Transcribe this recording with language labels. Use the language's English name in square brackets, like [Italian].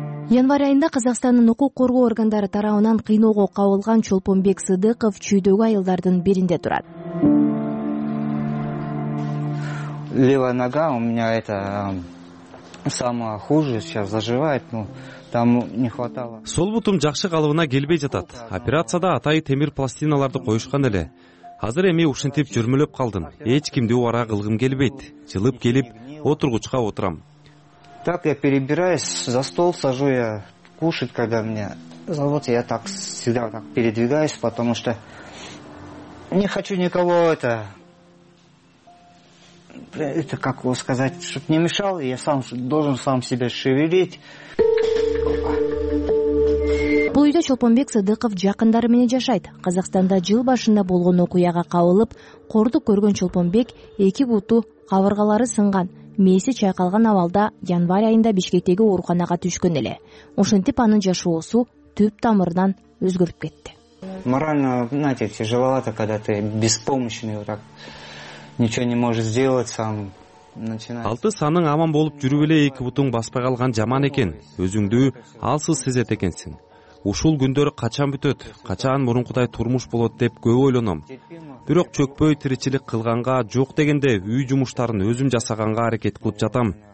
[Kyrgyz] Январь айында Казакстандын укук коргоо органдары тарабынан кыйноого кабылган Чолпонбек Сыдыков чүйдөгү айылдардын биринде турат. [Russian] Левая нога у меня это самое хуже сейчас заживает, но там не хватало. [Kyrgyz] Сол бутум жакшы калыбына келбей жатат. Операцияда атайы темир пластиналарды коюшкан эле. Азыр эми ушинтип жөрмөлөп калдым. Эч кимди уара кылгым келбейт. Жылып келип, отургучка отурам. [Russian] Так я перебираюсь за стол, сажу я кушать, когда мне зовут, я так всегда так передвигаюсь, потому что не хочу никого это. Это как его сказать, чтобы не мешал, я сам должен сам себя шевелить. [Kyrgyz] Бул үйдө Чолпонбек Сыдыков жакындары менен жашайт. Казакстанда жыл башында болгон окуяга кабылып, кордук көргөн Чолпонбек эки буту кабыргалары сынган, мээси чайкалган абалда январь айында Бишкектеги ооруканага түшкөн эле. Ошентип анын жашоосу түп тамырынан өзгөрүп кетти. [Russian] Морально, знаете, тяжеловато, когда ты беспомощный вот так. Ничего не можешь сделать сам. [Kyrgyz] Алты санын аман болуп жүрүп эле эки бутуң баспай калган жаман экен. Өзүңдү алсыз сезет экенсиң. Ушул күндөр качан бүтөт, качан мурункудай турмуш болот деп көп ойлоном. Бирок чөкпөй тиричилик кылганга жок дегенде үй жумуштарын өзүм жасаганга аракет кылып жатам.